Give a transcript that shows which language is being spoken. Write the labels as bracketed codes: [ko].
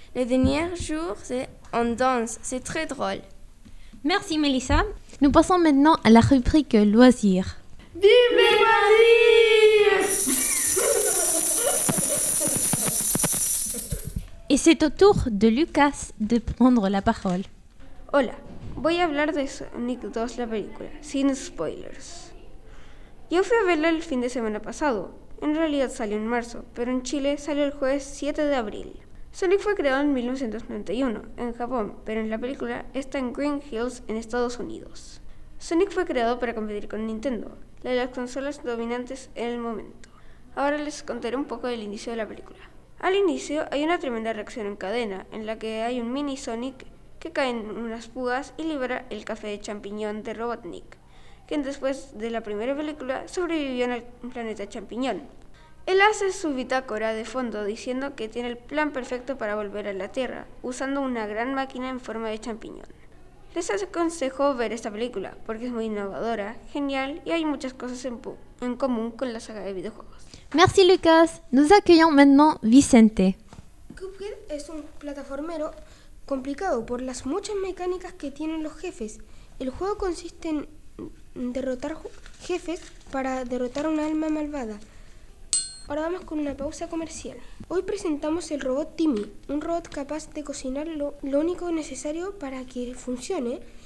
[fr] Le dernier jour, on danse. C'est très drôle. Merci, Mélissa. Nous passons maintenant à la rubrique loisirs. Vive les loisirs ! Et c'est au tour de Lucas de prendre la parole. [es] Hola, voy a hablar de Sonic 2, la película, sin spoilers. Yo fui a verla el fin de semana pasado. En realidad salió en marzo, pero en Chile salió el jueves 7 de abril. Sonic fue creado en 1991 en Japón, pero en la película está en Green Hills, en Estados Unidos. Sonic fue creado para competir con Nintendo, la de las consolas dominantes en el momento. Ahora les contaré un poco del inicio de la película. Al inicio hay una tremenda reacción en cadena, en la que hay un mini Sonic que cae en unas fugas y libera el café de champiñón de Robotnik, quien después de la primera película sobrevivió en el planeta champiñón. Él hace su bitácora de fondo diciendo que tiene el plan perfecto para volver a la Tierra, usando una gran máquina en forma de champiñón. Les aconsejo ver esta película, porque es muy innovadora, genial y hay muchas cosas en común con la saga de videojuegos. [fr] Merci Lucas, nous accueillons maintenant Vicente. [es] Cuphead es un plataformero complicado por las muchas mecánicas que tienen los jefes. El juego consiste en derrotar jefes para derrotar a una alma malvada. Ahora vamos con una pausa comercial. Hoy presentamos el robot Timmy, un robot capaz de cocinar lo único necesario para que funcione.